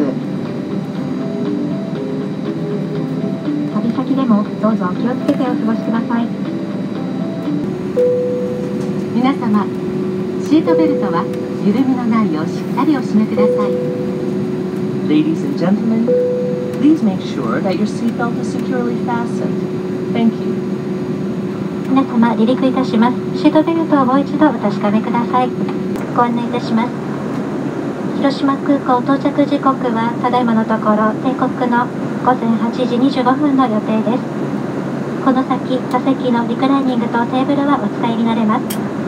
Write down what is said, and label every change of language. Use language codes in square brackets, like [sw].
[ja] 旅先でもどうぞお気をつけてお過ごしください。皆様、シートベルトは緩みのないようしっかりお締めください。 [en] Ladies and gentlemen. Please make sure that your seatbelt is securely fastened. Thank you. [ja] 皆様、離陸いたします。シートベルトをもう一度お確かめください。ご案内いたします。広島空港到着時刻は、ただいまのところ、定刻の午前8時25分の予定です。この先、座席のリクライニングとテーブルはお使いになれます。